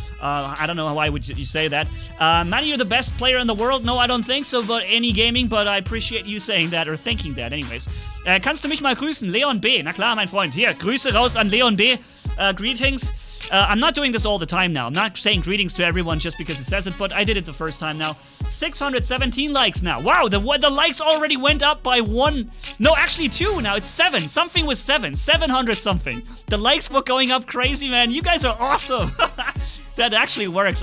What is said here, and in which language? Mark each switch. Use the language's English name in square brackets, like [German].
[English] I don't know why would you say that. Manny, you're the best player in the world. No, I don't think so, but any gaming, but I appreciate you saying that or thinking that anyways. [German] Kannst du mich mal grüßen? Leon B. Na klar, mein Freund. Hier, Grüße raus an Leon B. [English] Greetings. I'm not doing this all the time now. I'm not saying greetings to everyone just because it says it, but I did it the first time now. 617 likes now. Wow, the likes already went up by 1. No, actually 2 now. It's 7. Something with 7. 700 something. The likes were going up crazy, man. You guys are awesome. That actually works.